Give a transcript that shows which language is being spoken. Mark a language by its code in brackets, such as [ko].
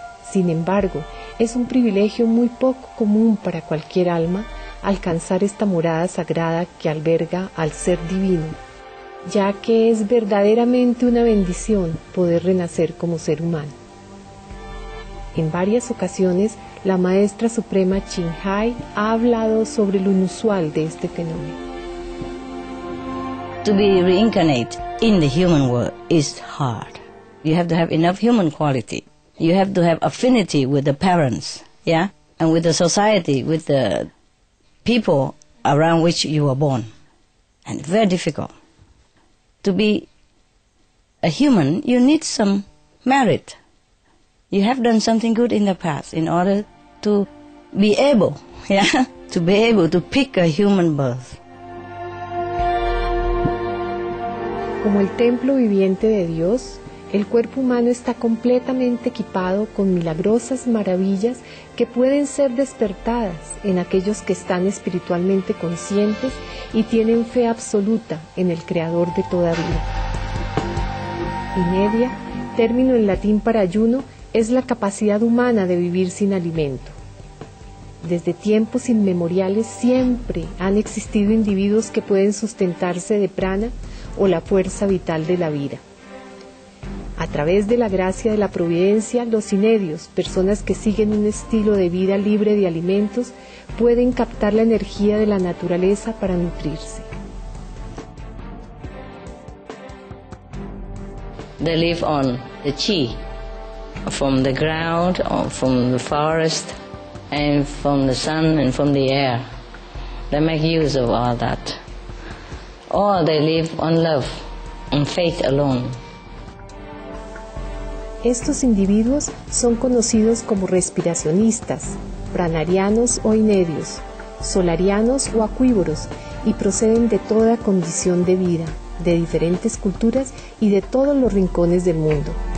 [es] Sin embargo, es un privilegio muy poco común para cualquier alma alcanzar esta morada sagrada que alberga al ser divino, ya que es verdaderamente una bendición poder renacer como ser humano. En varias ocasiones, la Maestra Suprema Chinhai ha hablado sobre lo inusual de este fenómeno. [en] To be reincarnate in the human world is hard. You have to have enough human quality. You have to have affinity with the parents, yeah? And with the society, with the people around which you were born. And very difficult. To be a human, you need some merit. You have done something good in the past in order to be able, yeah? To be able to pick a human birth. [es] Como el templo viviente de Dios, el cuerpo humano está completamente equipado con milagrosas maravillas que pueden ser despertadas en aquellos que están espiritualmente conscientes y tienen fe absoluta en el Creador de toda vida. Inedia, término en latín para ayuno, es la capacidad humana de vivir sin alimento. Desde tiempos inmemoriales siempre han existido individuos que pueden sustentarse de prana, o la fuerza vital de la vida. A través de la gracia de la providencia, los inedios, personas que siguen un estilo de vida libre de alimentos, pueden captar la energía de la naturaleza para nutrirse. [en] They live on the chi, from the ground, or from the forest, and from the sun and from the air. They make use of all that. Or they live on love and faith alone. [es] Estos individuos son conocidos como respiracionistas, pranarianos o inedios, solarianos o acuívoros, y proceden de toda condición de vida, de diferentes culturas y de todos los rincones del mundo.